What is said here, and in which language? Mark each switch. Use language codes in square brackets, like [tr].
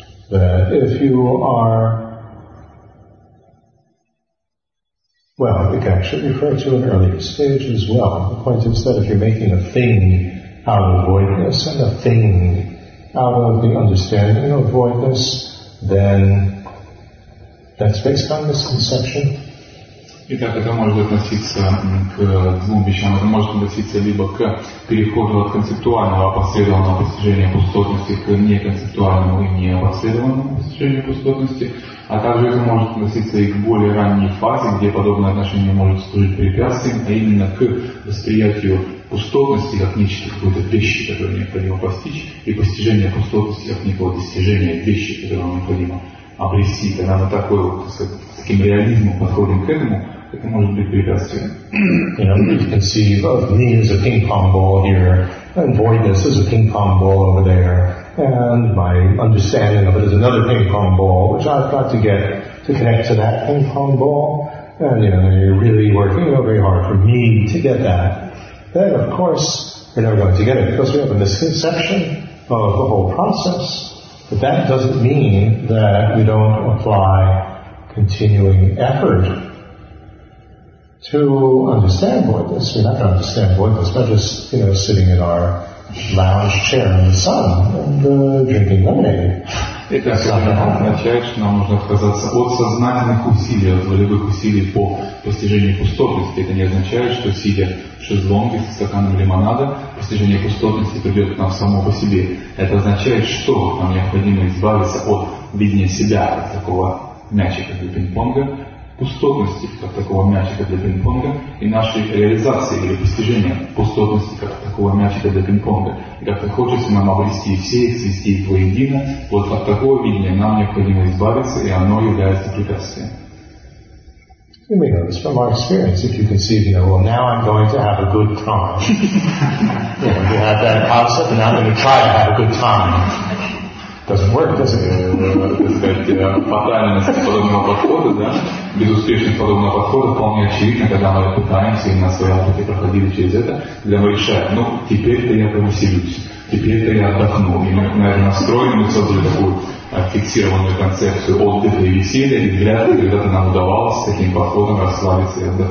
[en] That if you are, well, we can actually refer to an earlier stage as well. The point is that if you're making a thing out of voidness and a thing out of the understanding of voidness, then that's based on this conception. [ru] Итак, это может относиться к двум вещам. Это может относиться либо к переходу от концептуального опосредованного постижения пустотности к неконцептуальному и неопосредованному постижению пустотности, а также это может относиться и к более ранней фазе, где подобное отношение может служить препятствием, а именно к восприятию пустотности как нечто какой-то вещи, которую необходимо постичь, и постижение пустотности как некого достижения вещи, которого необходимо обрести, когда мы такой вот, так сказать, с таким реализмом подходим к этому, это может быть препятствие. [en] You know, you can see both me as a ping-pong ball here, and voidness as a ping-pong ball over there, and my understanding of it as another ping-pong ball, which I've got to get to connect to that ping-pong ball, and you know, you're really working very hard for me to get that. Then, of course, we're never going to get it, because we have a misconception of the whole process. But that doesn't mean that we don't apply continuing effort to understand voidness. We're not going to understand voidness by just, you know, sitting in our lounge chair in the sun and drinking lemonade. [ru] Итак, это означает, что нам нужно отказаться от сознательных усилий, от волевых усилий по постижению пустотности. Это не означает, что сидя в шезлонге с стаканом лимонада, постижение пустотности придет к нам само по себе. Это означает, что нам необходимо избавиться от видения себя как такого мячика для пинг-понга, пустотности как такого мячика для пинг-понга и нашей реализации или постижения пустотности как такого мячика для пинг-понга. И как ты хочешь нам обрести все их, свести их воедино, вот от такого видения нам необходимо избавиться, и оно является препятствием. [en] You may know this from our experience, if you can see, you know, well, now I'm going to have a good time. Yeah, you have that concept, and I'm going to try to have a good time. Doesn't work, does it? [ru] Фатальность подобного подхода, да? Безуспешность подобного подхода вполне очевидна, когда мы пытаемся, и на своем опыте проходили через это, для малыша. Ну, теперь-то я повеселюсь, теперь-то я отдохну. И мы, наверное, настроены, мы создали такую фиксированную концепцию отдыха и веселья, и вряд ли когда-то нам удавалось таким подходом расслабиться и